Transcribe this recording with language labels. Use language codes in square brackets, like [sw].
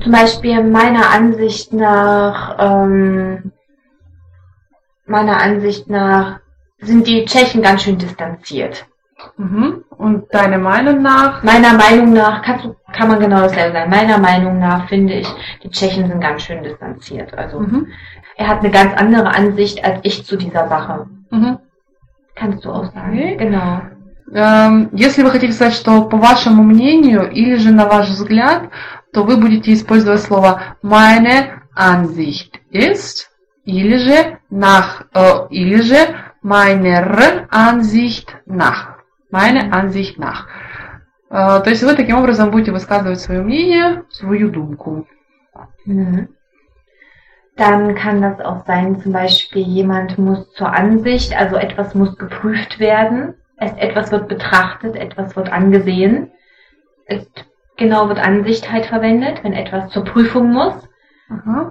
[de] Zum Beispiel meiner Ansicht nach sind die Tschechen ganz schön distanziert. Mhm. Und deine Meinung nach? Meiner Meinung nach, kann man genau dasselbe sagen. Meiner Meinung nach finde ich, die Tschechen sind ganz schön distanziert. Also, mhm. Er hat eine ganz andere Ansicht als ich zu dieser Sache. Mhm. Kannst du auch sagen. Okay. Genau. [ru] Если вы хотите сказать, что по вашему мнению или же на ваш взгляд, то вы будете использовать слово [de] meine Ansicht ist [ru] или же nach, или же [de] meiner Ansicht nach. Meine Ansicht nach. [ru] То есть вы таким образом будете высказывать свое мнение, свою думку. [de] Dann kann das auch sein, zum Beispiel jemand muss zur Ansicht, also etwas muss geprüft werden. Etwas wird betrachtet, etwas wird angesehen. Genau wird Ansicht halt verwendet, wenn etwas zur Prüfung muss. Aha.